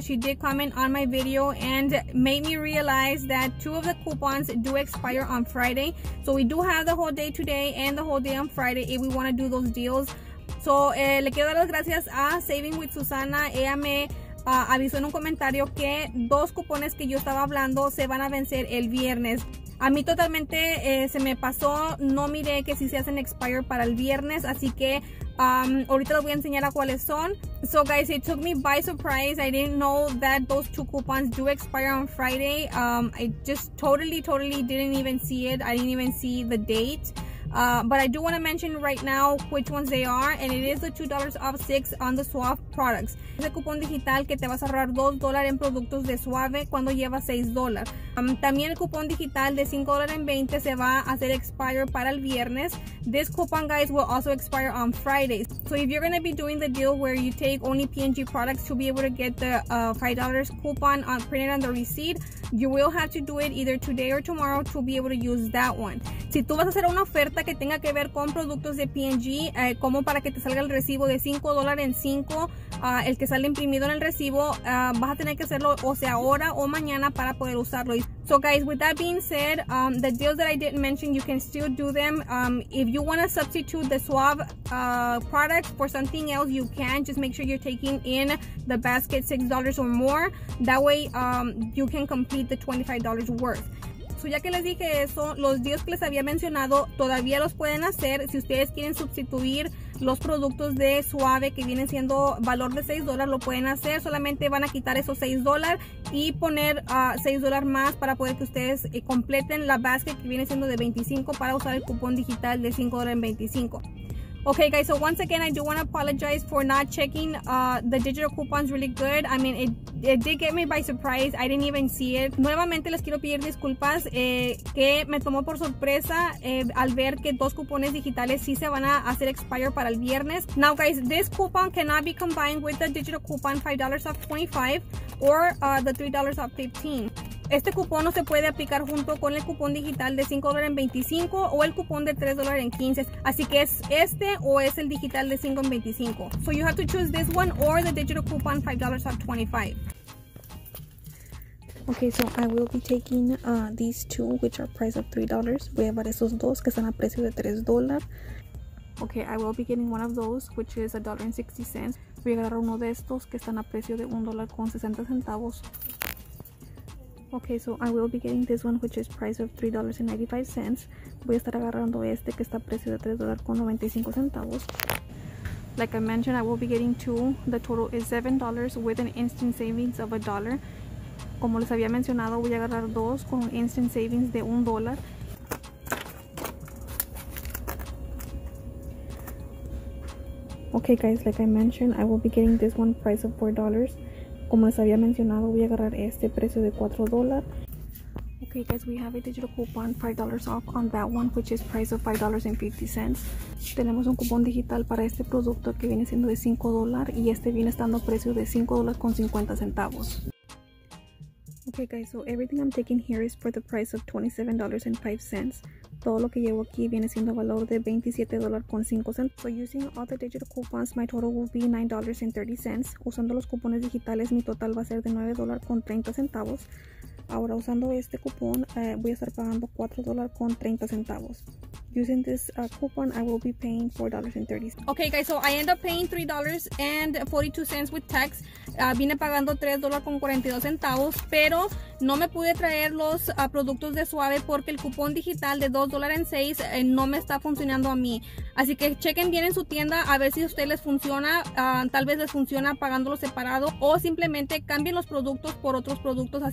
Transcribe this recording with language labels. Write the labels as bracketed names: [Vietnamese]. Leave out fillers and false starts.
[English] She did comment on my video and made me realize that two of the coupons do expire on Friday. So we do have the whole day today and the whole day on Friday if we want to do those deals. [Spanish] So le quiero dar las gracias a Saving with Susana. Ella me avisó en un comentario que dos cupones que yo estaba hablando se van a vencer el viernes. A mí totalmente se me pasó, no miré que si se hacen expire para el viernes, así que ahorita les voy a enseñar a cuáles son. [English] So guys, it took me by surprise. I didn't know that those two coupons do expire on Friday. I just totally didn't even see it. I didn't even see the date. But I do want to mention right now which ones they are, and it is the $2 off 6 on the Suave products. [Spanish] Es el cupón digital que te vas a ahorrar $2 en productos de Suave cuando llevas $6. También el cupón digital de $5.20 se va a hacer expire para el viernes. [English] This coupon, guys, will also expire on Friday. So if you're going to be doing the deal where you take only P&G products to be able to get the $5 coupon printed on the receipt, you will have to do it either today or tomorrow to be able to use that one. [Spanish] Si tú vas a hacer una oferta que tenga que ver con productos de P&G, como para que te salga el recibo de $5 en 5, el que sale imprimido en el recibo, vas a tener que hacerlo o sea ahora o mañana para poder usarlo. [English] So guys, with that being said, the deals that I didn't mention, you can still do them. If you want to substitute the Suave product for something else, you can. Just make sure you're taking in the basket $6 or more. That way, you can complete the $25 worth. [Spanish] So ya que les dije eso, los deals que les había mencionado todavía los pueden hacer si ustedes quieren sustituir los productos de Suave que vienen siendo valor de $6, lo pueden hacer. Solamente van a quitar esos $6 y poner $6 más para poder que ustedes completen la basket que viene siendo de $25 para usar el cupón digital de $5.25. [English] Ok, guys, so once again, I do want to apologize for not checking the digital coupons really good. I mean, it did get me by surprise. I didn't even see it. [Spanish] Nuevamente les quiero pedir disculpas que me tomó por sorpresa al ver que dos cupones digitales sí se van a hacer expire para el viernes. [English] Now guys, this coupon cannot be combined with the digital coupon $5 off 25 or the $3 off 15. [Spanish] Este cupón no se puede aplicar junto con el cupón digital de $5.25 o el cupón de $3.15. Así que es este o es el digital de $5.25. [English] So you have to choose this one or the digital coupon $5 off 25. Okay, so I will be taking these two, which are price of $3. [Spanish] Voy a llevar esos dos que están a precio de $3. [English] Okay, I will be getting one of those, which is $1.60. [Spanish] Voy a agarrar uno de estos que están a precio de $1.60. [English] Okay, so I will be getting this one, which is price of $3.95. [Spanish] Voy a estar agarrando este que está a precio de $3.95. [English] Like I mentioned, I will be getting two. The total is $7 with an instant savings of $1. [Spanish] Como les había mencionado, voy a agarrar dos con instant savings de $1. [English] Okay, guys, like I mentioned, I will be getting this one price of $4. [Spanish] Como les había mencionado, voy a agarrar este precio de $4. [English] Okay, guys, we have a digital coupon $5 off on that one, which is price of $5.50. [Spanish] Tenemos un cupón digital para este producto que viene siendo de $5 y este viene estando a precio de $5.50. [English] Okay, guys, so everything I'm taking here is for the price of $27.05. [Spanish] Todo lo que llevo aquí viene siendo valor de $27.05. [English] So using all the digital coupons, my total will be $9.30. [Spanish] Usando los cupones digitales, mi total va a ser de $9.30. Ahora usando este cupón, voy a estar pagando $4.30. [English] Using this coupon, I will be paying $4.30. Okay, guys, so I end up paying $3.42 with tax. [Spanish] Vine pagando $3.42, pero no me pude traer los productos de Suave porque el cupón digital de $2.06 no me está funcionando a mí. Así que chequen bien en su tienda a ver si a usted les funciona. Tal vez les funciona pagándolo separado o simplemente cambien los productos por otros productos.